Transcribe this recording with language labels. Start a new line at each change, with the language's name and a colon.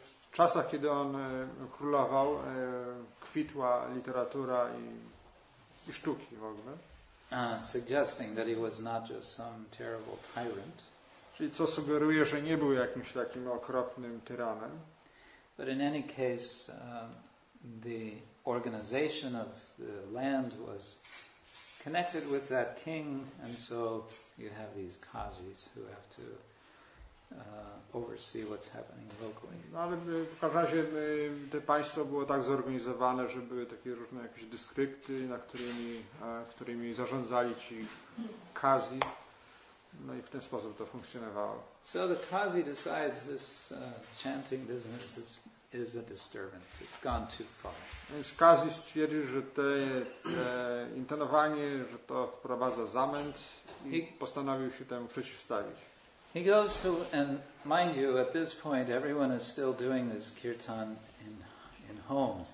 Polish: W czasach, kiedy on królował, kwitła literatura i sztuki w ogóle.
English: Suggesting that he was not just some terrible tyrant.
Polish: Czyli co sugeruje, że nie był jakimś takim okropnym tyranem.
English: But in any case, the organization of the land was connected with that king, and so you have these qazis who have to oversee what's happening locally.
Polish: No, ale w każdym razie to państwo było tak zorganizowane, że były takie różne jakieś dystrykty, na którymi zarządzali ci qazi. No i w ten sposób to funkcjonowało.
English: So the qazi decides this chanting business is a disturbance. It's gone too far.
Polish: Więc qazi stwierdził, że te intonowanie, że to wprowadza zamęt i postanowił się temu przeciwstawić.
English: He goes to, and mind you, at this point everyone is still doing this kirtan in homes.